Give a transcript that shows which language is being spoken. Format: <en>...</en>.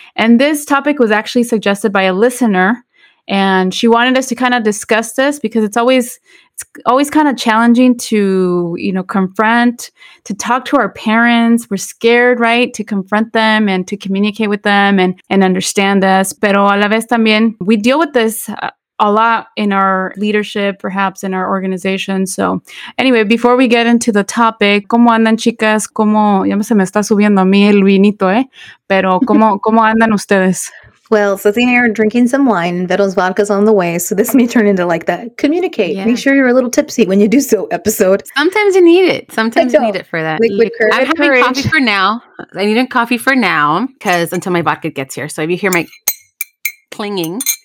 <en>And this topic was actually suggested by a listener, and she wanted us to kind of discuss this because it's always kind of challenging to, you know, confront, to talk to our parents. We're scared, right, to confront them and to communicate with them and understand us.</en> <es>Pero a la vez también,</es> <en>we deal with this a lot in our leadership, perhaps in our organization. So anyway, before we get into the topic,</en> <es>¿cómo andan, chicas? ¿Cómo? Ya se me está subiendo a mí el vinito, ¿eh? Pero ¿cómo, cómo andan ustedes?</es> <en>Well, Ceci and I are drinking some wine. Vettel's vodka's on the way. So this may turn into like that. Communicate. Yeah. Make sure you're a little tipsy when you do so episode. Sometimes you need it. Sometimes you need it for that. I'm having coffee for now. I need a coffee for now because until my vodka gets here. So if you hear my clinging.</en>